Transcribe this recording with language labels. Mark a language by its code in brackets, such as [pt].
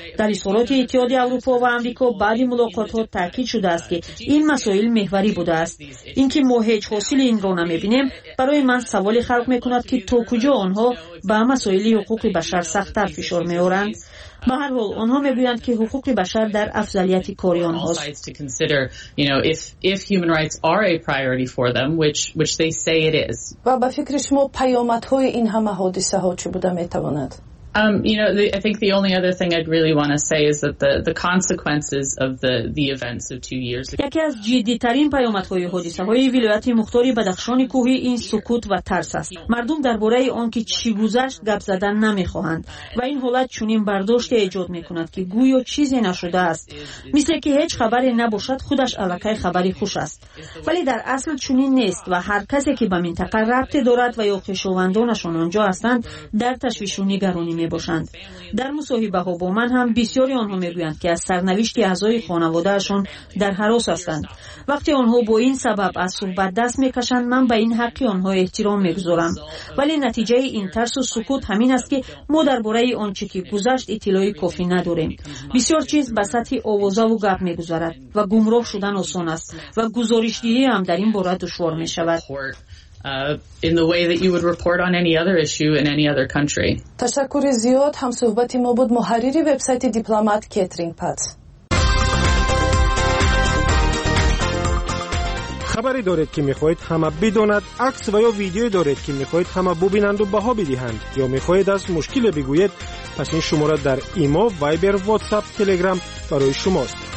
[tg] Дар исороти иттиҳоди Аврупо ва Амрико баъди мулоқотҳо таъкид шудааст, ки ин масоил меҳварӣ будааст. Ин ки мо ҳеҷ ҳосили инро намебинем, барои ман саволи халқ мекунад, ки то куҷо онҳо ба масоили ҳуқуқи башар сахттар фишор меоранд. [fa] به هر حال آنها میگویند که حقوق بشر در افضلیت کاری آنهاست. [en] if human rights are a priority for them, which they say it is. [fa] و به فکر شما پیامدهای این همه حادثه ها چی بوده میتواند؟ [en] I think the only other thing I'd really want to say is that the consequences of the events of 2 years ago. [fa] یکی از جدی‌ترین پیامدهای حادثه‌های ولایت مختار بدخشان کوهی این سکوت و ترس است. مردم درباره آن که چی گذشت گپ زدن نمی‌خواهند و این حالت چنین برداشت ایجاد می‌کند که گویا چیزی نشده است. مثل که هیچ خبری نباشد خودش الکای خبری خوش است. ولی در اصل چنین نیست و هر کسی که به منطقه رابطه دارد و یا خویشاوندانشان آنجا هستند در تشویش و نگرانی می باشند. در مصاحبه ها با من هم بسیاری آنها می گویند که از سرنوشت اعضای خانواده اشون در هراس هستند. وقتی آنها با این سبب از صحبت دست می کشند، من به این حقی آنها احترام می گذارم. ولی نتیجه این ترس و سکوت همین است که ما درباره آنچه که گذشت اطلاعی کافی نداریم. بسیار چیز به سطح آوازه و گپ می گذارد و گمراه شدن آسان است و گزارش دهی هم در این باره دشوار می شود. [en] In the way that you would report on any other issue in any other country. [fa] تشکر زیاد هم صحبتی ما بود محرری وبسایت دیپلمات کترینگ پات. خبری دارید که میخواهید همه بدانند، عکس و یا ویدیو دارید که میخواهید همه ببینند و بها بدهند یا میخواهید از مشکل بگویید، پس این شماره در ایمو، وایبر، واتساپ، تلگرام برای شماست.